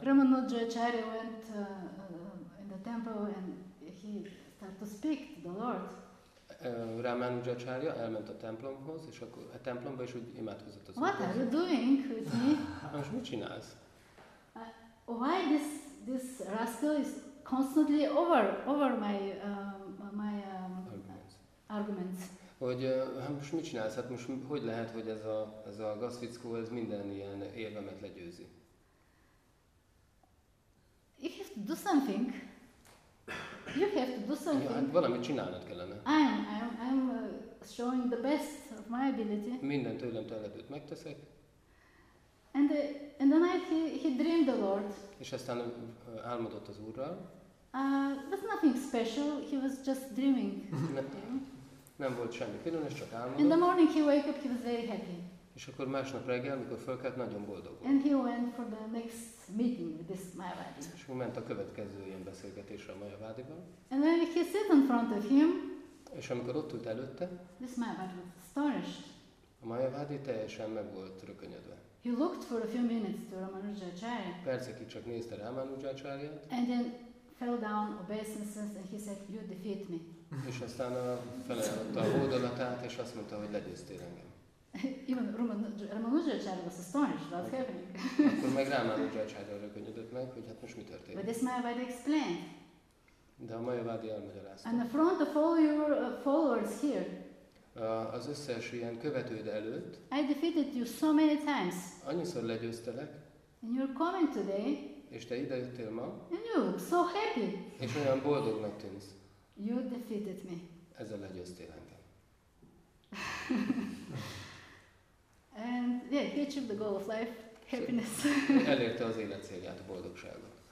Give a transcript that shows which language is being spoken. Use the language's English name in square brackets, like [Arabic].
[English] Ramanuja Acharya went in the temple and he started to speak to the Lord. [Hungarian] Ramanuja Acharya elment a templomhoz, és akkor a templomba is úgy imádkozott az [English] What are you doing with me? [Hungarian] Most mit csinálsz? [English] Why this rascal is constantly over my arguments? [Hungarian] Hogy hát most mit csinálsz? Hát most hogy lehet, hogy ez a gazvickó ez minden ilyen érvemet legyőzi? [English] You have to do something. You have to do something. [Hungarian] Ja, hát valamit csinálnod kellene. [English] I'm showing the best of my ability. [Hungarian] Minden tőlem telhetőt megteszek. [English] And the night he dreamed the Lord. [Hungarian] És aztán álmodott az Úrral. [English] That's nothing special. He was just dreaming. [Hungarian] Nem volt semmi különös, csak álmodott. [English] In the morning he woke up, he was very happy. [Hungarian] És akkor másnap reggel, amikor fölkelt, nagyon boldog volt. [English] And he went for the next meeting with this Mayavadi. [Hungarian] És ment a következő ilyen beszélgetésre a Mayavadival. [English] And when he sat in front of him. [Hungarian] És amikor ott ült előtte. [English] This Mayavadi was astonished. [Hungarian] A Mayavadi teljesen meg volt rökönyödve. [English] He looked for a few minutes to Ramanuja Acharya. [Hungarian] Percekig csak nézte Ramanuja Acharyát. [English] And then fell down obeisances and he said, you defeat me. [Hungarian] És aztán felajánlotta a hódolatát, és azt mondta, hogy legyőztél engem. [English] Even Ramanuja Acharya was astonished, what's happening? [Hungarian] Akkor meg Ramanuja Acharya rökönyödött meg, hogy hát most mi történt. [English] But this Mayavadi explained. [Hungarian] De a Mayavadi elmagyarázta. [English] And in front of all your followers here. [Hungarian] Az összes ilyen követőd előtt. [English] I defeated you so many times. [Hungarian] Annyiszor legyőztelek. [English] And you're coming today. [Hungarian] És te ide jöttél ma. [English] And you look so happy. [Hungarian] És olyan boldognak tűnsz. [English] You defeated me. [Hungarian] Ezzel legyőztél engem. [English] And yeah, he achieved the goal of life, happiness. [Hungarian] Elérte az élet célját, a boldogságot.